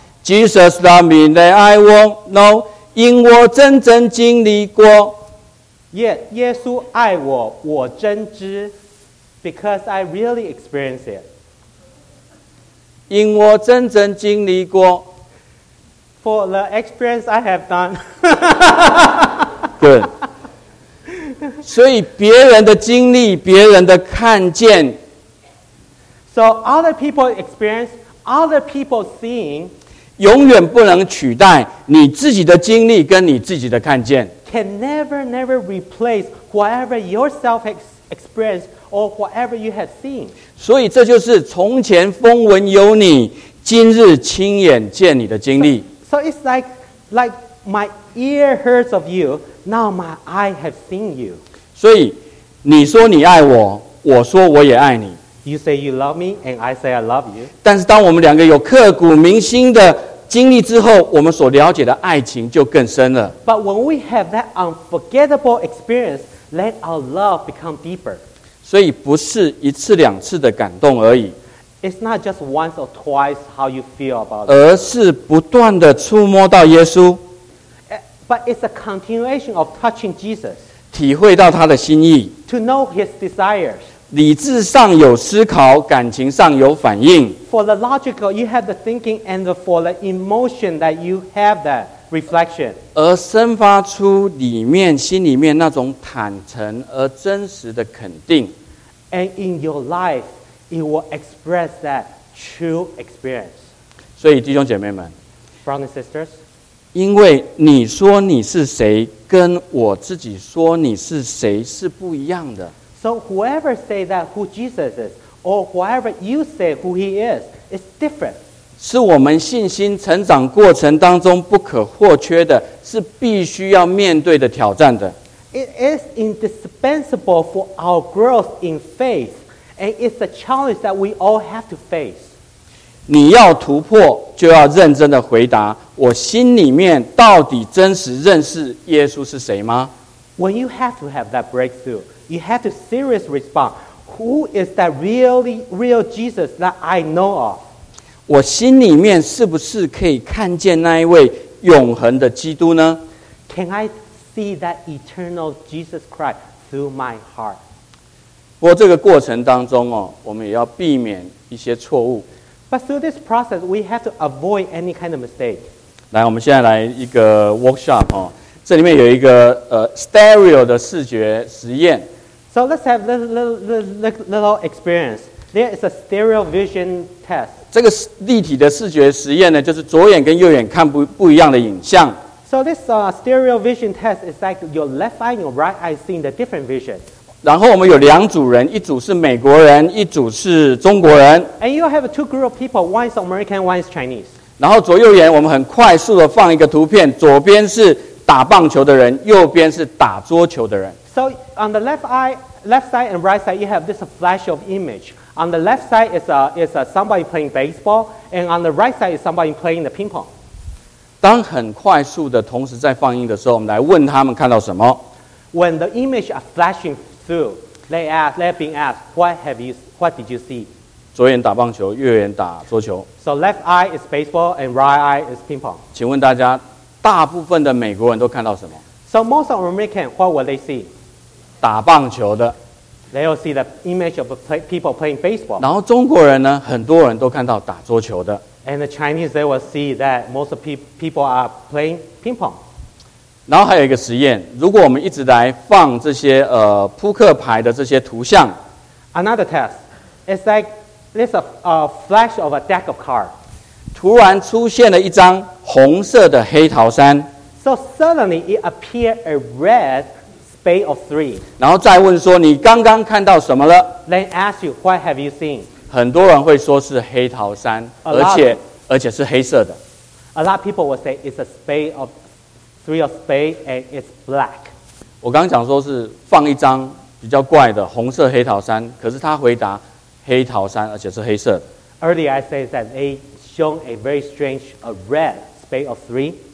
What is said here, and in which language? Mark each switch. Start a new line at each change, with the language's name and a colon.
English: Jesus love me, that I know, 因我真正经历过。
Chinese: 耶稣爱我，我真知。
English: Because I really experience it.
Chinese: 因我真正经历过。
English: For the experience I have done. Good.
Chinese: 所以别人的经历，别人的看见。
English: So other people experience, other people seeing,
Chinese: 永远不能取代你自己的经历跟你自己的看见。
English: Can never replace whatever yourself experienced or whatever you have seen.
Chinese: 所以这就是从前风闻有你，今日亲眼见你的经历。
English: So it's like my ear heard of you, now my eye have seen you.
Chinese: 所以你说你爱我，我说我也爱你。
English: You say you love me, and I say I love you.
Chinese: 但是当我们两个有刻骨铭心的经历之后，我们所了解的爱情就更深了。
English: But when we have that unforgettable experience, let our love become deeper.
Chinese: 所以不是一次两次的感动而已。
English: It's not just once or twice how you feel about it.
Chinese: 而是不断的触摸到耶稣。
English: But it's a continuation of touching Jesus.
Chinese: 体会到他的心意。
English: To know his desires.
Chinese: 理智上有思考，感情上有反应。
English: For the logical, you have the thinking, and for the emotion, that you have that reflection.
Chinese: 而生发出里面心里面那种坦诚而真实的肯定。
English: And in your life, it will express that true experience.
Chinese: 所以弟兄姐妹们
English: ，Brothers and sisters,
Chinese: 因为你说你是谁，跟我自己说你是谁是不一样的。
English: So whoever say that who Jesus is, or whoever you say who he is different.
Chinese: 是我们信心成长过程当中不可或缺的，是必须要面对的挑战的。
English: It is indispensable for our growth in faith, and it's a challenge that we all have to face.
Chinese: 你要突破，就要认真的回答：我心里面到底真实认识耶稣是谁吗？
English: When you have to have that breakthrough. You have to seriously respond. Who is that really, real Jesus that I know of?
Chinese: 我心里面是不是可以看见那一位永恒的基督呢？
English: Can I see that eternal Jesus Christ through my heart?
Chinese: 不过这个过程当中哦，我们也要避免一些错误。
English: But through this process, we have to avoid any kind of mistake.
Chinese: 来，我们现在来一个 workshop 哦。这里面有一个stereo 的视觉实验。
English: So let's have little experience. There is a stereo vision test.
Chinese: 这个立体的视觉实验呢，就是左眼跟右眼看不一样的影像。
English: So this stereo vision test is like your left eye and your right eye seeing the different vision.
Chinese: 然后我们有两组人，一组是美国人，一组是中国人。
English: And you have two group of people. One is American, one is Chinese.
Chinese: 然后左右眼我们很快速的放一个图片，左边是打棒球的人，右边是打桌球的人。
English: So on the left eye, left side and right side, you have this flash of image. On the left side is somebody playing baseball, and on the right side is somebody playing the ping pong.
Chinese: 当很快速的同时在放映的时候，我们来问他们看到什么。
English: When the image are flashing through, they have been asked, what did you see?
Chinese: 左眼打棒球，右眼打桌球。
English: So left eye is baseball and right eye is ping pong.
Chinese: 请问大家。大部分的美国人都看到什么
English: ？So most of Americans, what will they see?
Chinese: 打棒球的。
English: They will see the image of people playing baseball.
Chinese: 然后中国人呢，很多人都看到打桌球的。
English: And the Chinese, they will see that most of people are playing ping pong.
Chinese: 然后还有一个实验，如果我们一直来放这些扑克牌的这些图像。
English: Another test, it's like this a flash of a deck of cards.
Chinese: 突然出现了一张红色的黑桃三。
English: So suddenly it appeared a red spade of three.
Chinese: 然后再问说你刚刚看到什么了
English: ？Then ask you what have you seen?
Chinese: 很多人会说是黑桃三，而且是黑色的。
English: A lot of people will say it's a spade of three of spade and it's black.
Chinese: 我刚讲说是放一张比较怪的红色黑桃三，可是他回答黑桃三，而且是黑色的。
English: Earlier I say that they shown a very strange a red spade of three.